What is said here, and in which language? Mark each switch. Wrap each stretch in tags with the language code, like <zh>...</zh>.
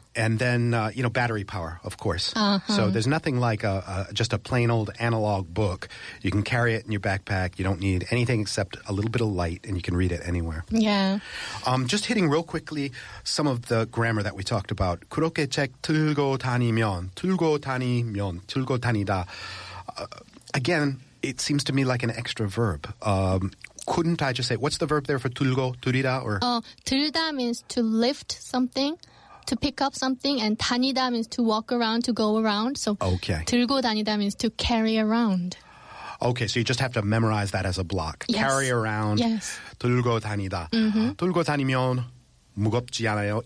<en>And then, you know, battery power, of course. So there's nothing like just a plain old analog book. You can carry it in your backpack. You don't need anything except a little bit of light, and you can read it anywhere. Yeah. Just hitting real quickly some of the grammar that we talked about.</en> <ko>그렇게 책 들고 다니면, 들고 다니면, 들고 다니다.</ko> <en>Again, it seems to me like an extra verb. Couldn't I just say, what's the verb there for 들고, 들이다, or? 들다 means to lift something. to pick up something, and 다니다 means to walk around, to go around. So okay. 들고 다니다 means to carry around. Okay, so you just have to memorize that as a block. Yes. Carry around. Yes.</en> <ko>들고 다니다. Mm-hmm. 들고 다니면 무겁지 않아요?</ko>